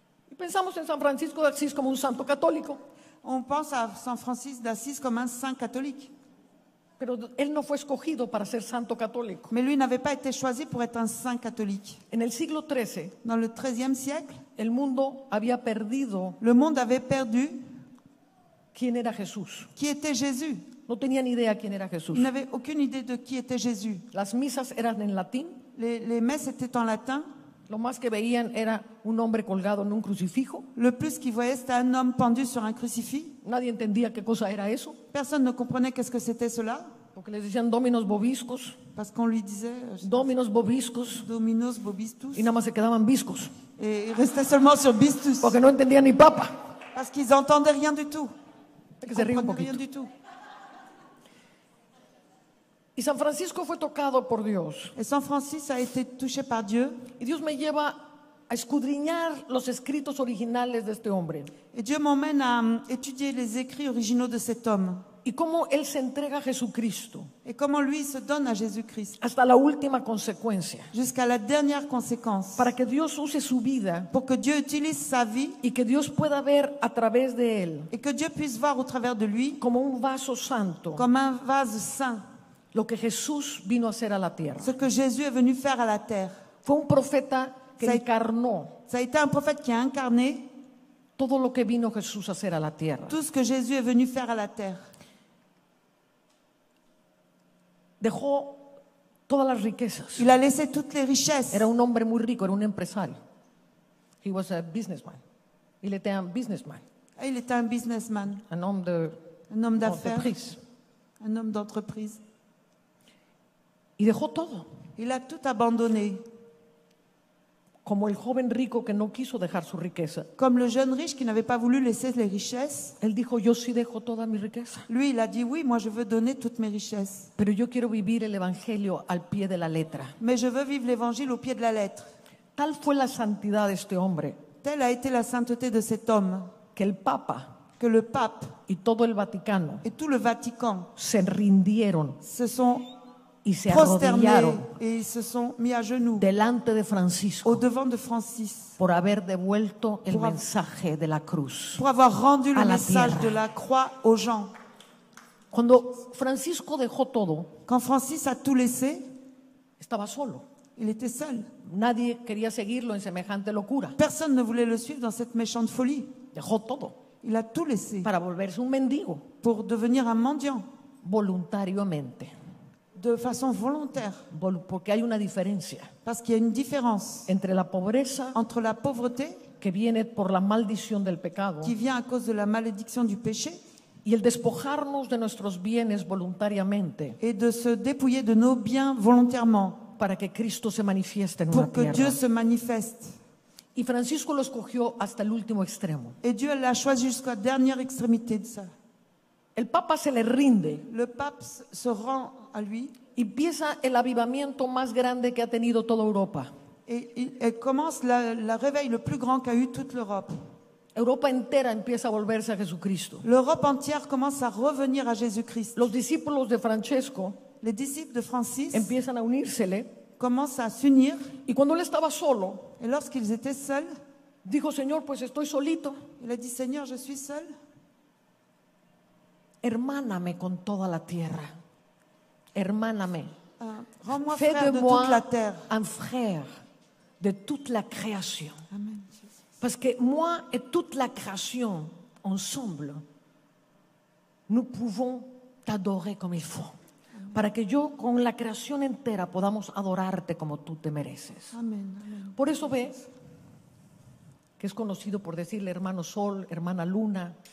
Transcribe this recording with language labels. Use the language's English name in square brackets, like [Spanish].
[Spanish] Y pensamos en San Francisco de Asís como un santo católico. [French] On pense à San Francisco de Asís comme un saint catholique. [Spanish] Pero él no fue escogido para ser santo católico. [French] Mais lui n'avait pas été choisi pour être un saint catholique. [Spanish] En el siglo XIII, [French] dans le XIIIe siècle, [Spanish] el mundo había perdido. [French] Le monde avait perdu. [Spanish] ¿Quién era Jesús? [French] Qui était Jésus? [Spanish] No tenía ni idea quién era Jesús. [French] Il n'avait aucune idée de qui était Jésus. [Spanish] Las misas eran en latín. [French] Les messes étaient en latin. [Spanish] Lo más que veían era un hombre colgado en un crucifijo. [French] Le plus qu'ils voyaient, c'était un homme pendu sur un crucifix. [Spanish] Nadie entendía qué cosa era eso. [French] Personne ne comprenait qu'est-ce que c'était cela. [Spanish] Porque les decían Dominos Bobiscos. [French] Parce qu'on lui disait [Latin] Dominos Bobiscos. Dominos Bobistus. [Spanish] Y nada más se quedaban biscos. [French] Et ils restaient seulement sur bistus. [Spanish] Porque no entendían ni papa. [French] Parce qu'ils entendaient rien du tout. [Spanish] Que se ríe un poquito. [French] Rien du tout. [Spanish] Y San Francisco fue tocado por Dios. [French] Et San Francisco a été touché par Dieu. [Spanish] Y Dios me lleva a escudriñar los escritos originales de este hombre. [French] Et Dieu m'emmène à étudier les écrits originaux de cet homme. [Spanish] Y cómo él se entrega a Jesucristo. [French] Et comment lui se donne à Jésus-Christ. [Spanish] Hasta la última consecuencia. [French] Jusqu'à la dernière conséquence. [Spanish] Para que Dios use su vida. [French] Pour que Dieu utilise sa vie. [Spanish] Y que Dios pueda ver a través de él. [French] Et que Dieu puisse voir au travers de lui. [Spanish] Como un vaso santo. [French] Comme un vase saint. [Spanish] Lo que Jesús vino a hacer a la tierra. [French] Ce que Jésus est venu faire à la terre. [Spanish] Fue un profeta que encarnó. [French] Ça a été un prophète qui a incarné. [Spanish] Todo lo que vino Jesús a hacer a la tierra. [French] Tout ce que Jésus est venu faire à la terre. [Spanish] Dejó todas las riquezas. [French] Il a laissé toutes les richesses. [Spanish] Era un hombre muy rico, era un empresario. [English] He was a businessman. [French] Il était un businessman. Il était un businessman. Un homme d'affaires. Un homme d'entreprise. [Spanish] Y dejó todo. [French] Il a tout abandonné. [Spanish] Como el joven rico que no quiso dejar su riqueza. [French] Comme le jeune riche qui n'avait pas voulu laisser les richesses. [Spanish] Él dijo, yo sí dejo toda mi riqueza. [French] Lui, il a dit, oui, moi je veux donner toutes mes richesses. [Spanish] Pero yo quiero vivir el evangelio al pie de la letra. [French] Mais je veux vivre l'évangile au pied de la lettre. [Spanish] Tal fue la santidad de este hombre. [French] Telle a été la sainteté de cet homme. [Spanish] Que el Papa. [French] Que le Pape. [Spanish] Y todo el Vaticano. [French] Et tout le Vatican. [Spanish] Se rindieron. [French] Se sont [Spanish] y se arrodillaron [French] et se sont mis à genoux [Spanish] delante de Francisco, [French] au devant de Francis, [Spanish] por haber devuelto el mensaje de la cruz, [French] pour avoir rendu le message de la croix aux gens. [Spanish] Cuando Francisco dejó todo, [French] quand Francis a tout laissé, [Spanish] estaba solo, [French] il était seul. [Spanish] Nadie quería seguirlo en semejante locura. [French] Personne ne voulait le suivre dans cette méchante folie. [Spanish] Dejó todo, [French] il a tout laissé, [Spanish] para volverse un mendigo, [French] pour devenir un mendiant, [Spanish] voluntariamente. [French] De façon volontaire. [Spanish] Porque hay una diferencia. [French] Parce qu'il y a une différence. [Spanish] Entre la pobreza. [French] Entre la pauvreté. [Spanish] Que viene por la maldición del pecado. [French] Qui vient à cause de la malédiction du péché. [Spanish] Y el despojarnos de nuestros bienes voluntariamente. [French] Et de se dépouiller de nos biens volontairement. [Spanish] Para que Cristo se manifieste en la [French] tierra. Pour que Dieu se manifeste. [Spanish] Y Francisco lo escogió hasta el último extremo. [French] Et Dieu l'a choisi jusqu'à la dernière extrémité de ça. [Spanish] El Papa se le rinde. [French] Le Pape se rend à lui. [Spanish] Y empieza el avivamiento más grande que ha tenido toda Europa. [French] Et commence la réveil le plus grand qu'a eu toute l'Europe. [Spanish] Europa entera empieza a volverse a Jesucristo. [French] L'Europe entière commence à revenir à Jésus-Christ. [Spanish] Los discípulos de Francesco, [French] les disciples de Francis, [Spanish] empiezan a unírsele. [French] Commencent à s'unir. [Spanish] Y cuando él estaba solo, [French] et lorsqu'ils étaient seuls, [Spanish] dijo, Señor, pues estoy solito. [French] Il a dit, Seigneur, je suis seul. [Spanish] Hermáname con toda la tierra. Hermáname. [French] Rends-moi frère de toute la terre. Un frère de toute la création. Amen. Parce que moi et toute la création ensemble, nous pouvons t'adorer comme il faut. Amen. [Spanish] Para que yo con la creación entera podamos adorarte como tú te mereces. Amen. Amen. Por eso ve que es conocido por decirle hermano sol, hermana luna,